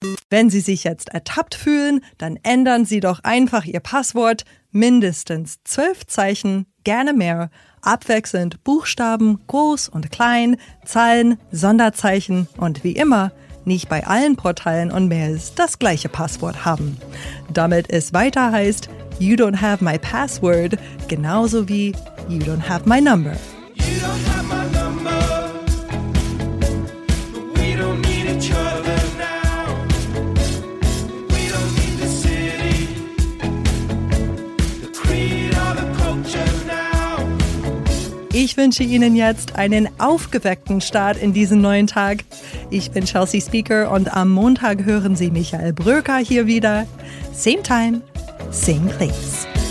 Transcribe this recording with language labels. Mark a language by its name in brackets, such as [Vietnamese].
[German] Wenn Sie sich jetzt ertappt fühlen, dann ändern Sie doch einfach Ihr Passwort. Mindestens 12 Zeichen, gerne mehr. Abwechselnd Buchstaben, groß und klein, Zahlen, Sonderzeichen und wie immer nicht bei allen Portalen und Mails das gleiche Passwort haben. Damit es weiter heißt, [English] you don't have my password, [German] genauso wie [English] you don't have my number. You don't have my number, but we don't need each other now. We don't need the city, the creed or the culture now. [German] Ich wünsche Ihnen jetzt einen aufgeweckten Start in diesen neuen Tag. Ich bin Chelsea Speaker und am Montag hören Sie Michael Bröker hier wieder. [English] Same time, same place.